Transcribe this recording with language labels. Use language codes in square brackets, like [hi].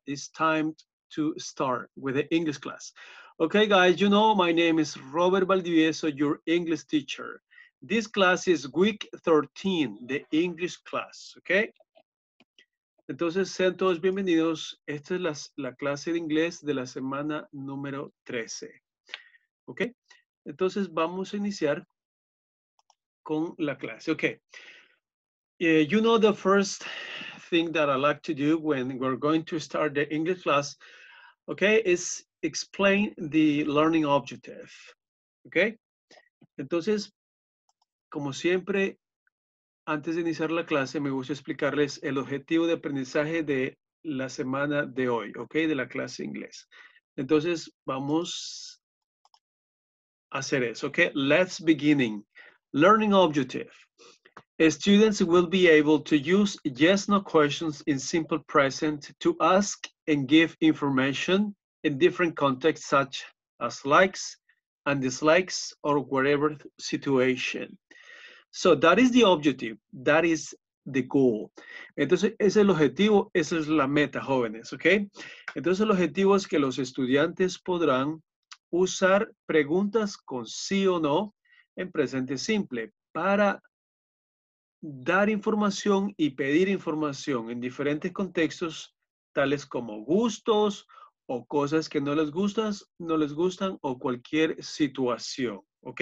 [en] It's time to start with the English class. Okay, guys, you know, my name is Robert Valdivieso, your English teacher. This class is week 13, the English class, okay? [es] Entonces, sean todos bienvenidos. Esta es la clase de inglés de la semana número 13, okay? Entonces, vamos a iniciar con la clase, okay? [en] You know the first thing that I like to do when we're going to start the English class, okay, is explain the learning objective, okay? [es] Entonces, como siempre, antes de iniciar la clase, me gusta explicarles el objetivo de aprendizaje de la semana de hoy, ¿ok? De la clase inglés. Entonces, vamos a hacer eso, ¿ok? [en] Let's begin. Learning objective. Students will be able to use yes-no questions in simple present to ask and give information in different contexts such as likes and dislikes or whatever situation. So that is the objective, that is the goal. [es] Entonces, ese es el objetivo, esa es la meta, jóvenes, ¿ok? Entonces, el objetivo es que los estudiantes podrán usar preguntas con sí o no en presente simple para dar información y pedir información en diferentes contextos, tales como gustos o cosas que no les gustan o cualquier situación, ¿ok?